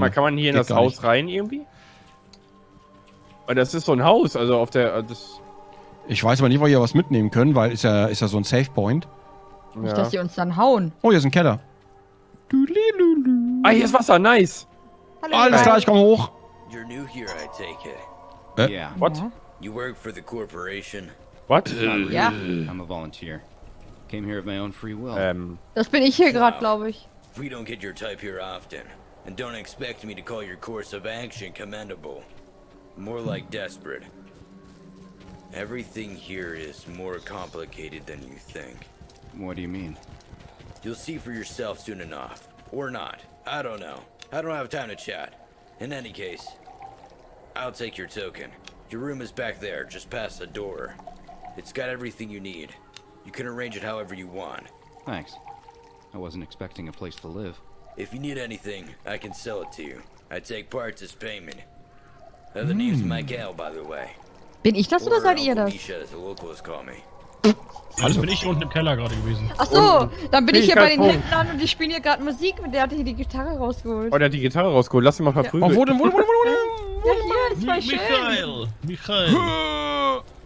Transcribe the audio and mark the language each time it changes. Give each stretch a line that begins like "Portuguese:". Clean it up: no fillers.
German: Warte mal, kann man hier in das Haus rein irgendwie? Das ist so ein Haus, also auf der... Das... Ich weiß aber nicht, wo wir hier was mitnehmen können, weil ist ja so ein Safe Point. Ja. Nicht, dass sie uns dann hauen. Oh, hier ist ein Keller. Du-li-lu-lu. Ah, hier ist Wasser, nice. Hallo, Alles klar, ich komme hoch.
English: You're new here, I take it. Yeah. What? You work for the corporation. What? Yeah. I'm a volunteer. Came here of my own free will.
German: Das bin ich hier gerade, glaube ich.
English: If we don't get your type here often, and don't expect me to call your course of action commendable. More like desperate. Everything here is more complicated than you think. What do you mean? You'll see for yourself soon enough. Or not. I don't know. I don't have time to chat. In any case, I'll take your token. Your room is back there, just past the door. It's got everything you need. You can arrange it however you want. Thanks. I wasn't expecting a place to live. If you need anything, I can sell it to you. I take parts as payment. The name's Miguel, by the way.
German: Bin ich das oder seid ihr das?
English: Nisha, as the locals call me.
German: Also bin ich unten im Keller gerade gewesen. Ach so, dann bin ich hier bei den Händlern und die spielen hier gerade Musik und der hat hier die Gitarre rausgeholt. Oh, der hat die Gitarre rausgeholt. Lass ihn mal verprügeln. Oh, wo denn? Ja, hier, das war schön. Michael.